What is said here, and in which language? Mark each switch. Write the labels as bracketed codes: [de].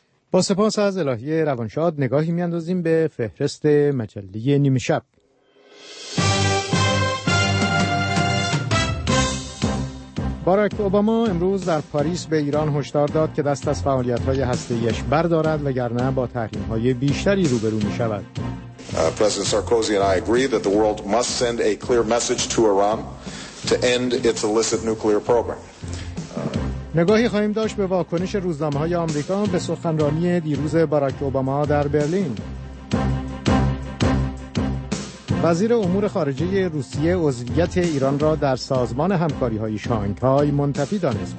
[fa] با سپاس از الهی روانشاد نگاهی می‌اندازیم به فهرست مجله نیمه شب. باراک اوباما امروز در پاریس به ایران هشدار داد که دست از فعالیت‌های هسته‌ای‌اش بردارد وگرنه با تحریم‌های بیشتری روبرو می‌شود. [en] President Sarkozy and I agree that the world must send a clear message to Iran to end its illicit nuclear program. [fa] نگاهی خواهیم داشت به واکنش روزنامه‌های آمریکا به سخنرانی دیروز باراک اوباما در برلین. وزیر امور خارجه روسیه عضویت ایران را در سازمان همکاری های شانگهای منتفی دانست.